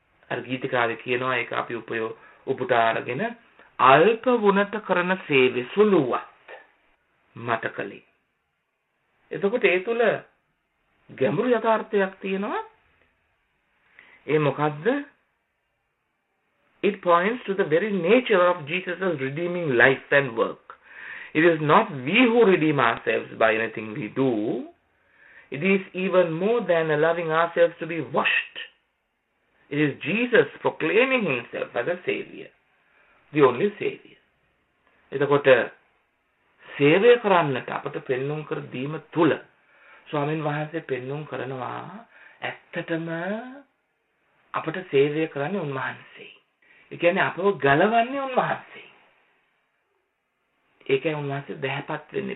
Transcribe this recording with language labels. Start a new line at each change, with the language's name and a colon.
Sinhala: අර ගීතකාරයා කියනවා ඒක අපි උපුටා අරගෙන, අල්ප වුණත කරන සේවය සුළුවත් මට කලේ. එතකොට ඒ තුළ ගැඹුරු යථාර්ථයක් තියෙනවා. ඒ මොකද්ද?
English: It points to the very nature of Jesus' redeeming life and work. It is not we who redeem ourselves by anything we do. It is even more than allowing ourselves to be washed. It is Jesus proclaiming himself as a savior. The only savior.
Sinhala: එතකොට සේවය කරන්නට අපට පෙන්නුම් කර දීම තුල ස්වාමීන් වහන්සේ පෙන්නුම් කරනවා ඇත්තටම අපට සේවය කරන්නේ උන්වහන්සේ. ඒ කියන්නේ අපව ගලවන්නේ උන්වහන්සේ. ඒකයි උන්වහන්සේ දැහැපත් වෙන්නේ.